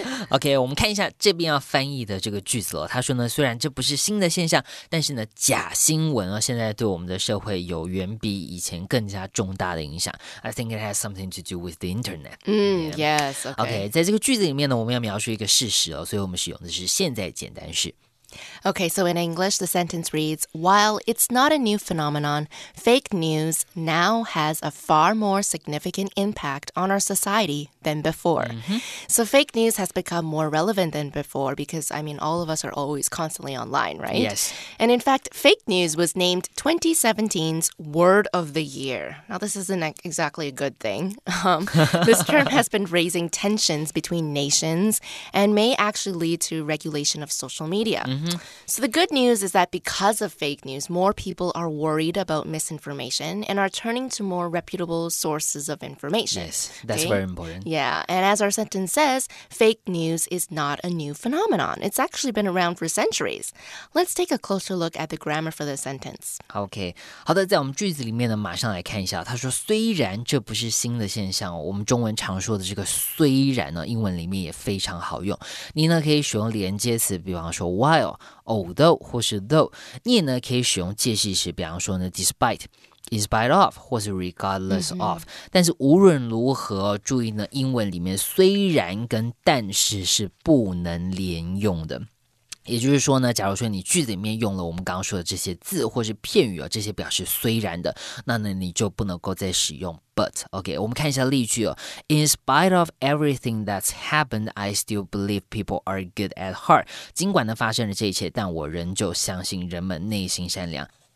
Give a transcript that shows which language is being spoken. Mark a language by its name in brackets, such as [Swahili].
[Chinese] OK, 我们看一下这边要翻译的这个句子了。他说呢，虽然这不是新的现象，但是呢，假新闻啊，现在对我们的社会有远比以前更加重大的影响。 [English] I think it has something to do with the internet. Yes, OK. [Chinese] OK, 在这个句子里面呢，我们要描述一个事实哦，所以我们使用的是现在简单式。 [English] OK, so in English, the sentence reads, While it's not a new phenomenon, fake news now has a far more significant impact on our society than before. Mm-hmm. So fake news has become more relevant than before because, I mean, all of us are always constantly online, right? Yes. And in fact, fake news was named 2017's Word of the Year. Now, this isn't exactly a good thing. this term has been raising tensions between nations and may actually lead to regulation of social media. So the good news is that because of fake news, more people are worried about misinformation and are turning to more reputable sources of information. Yes, that's very important. Yeah, and as our sentence says, fake news is not a new phenomenon. It's actually been around for centuries. Let's take a closer look at the grammar for the sentence. [Chinese] Okay, 好的，在我们句子里面呢，马上来看一下。他说，虽然这不是新的现象，我们中文常说的这个虽然呢，英文里面也非常好用。你呢，可以使用连接词，比方说 while。Although 或是 though， 你也呢可以使用介系词，比方说呢 despite、in spite of 或是 regardless of、mm-hmm.。但是无论如何，注意呢，英文里面虽然跟但是是不能连用的。也就是说呢，假如说你句子里面用了我们刚刚说的这些字或是片语啊、哦，这些表示虽然的，那呢你就不能够再使用 but。 OK， 我们看一下例句哦。 [English] In spite of everything that's happened, I still believe people are good at heart。 [Chinese] 尽管呢发生了这一切，但我仍旧相信人们内心善良。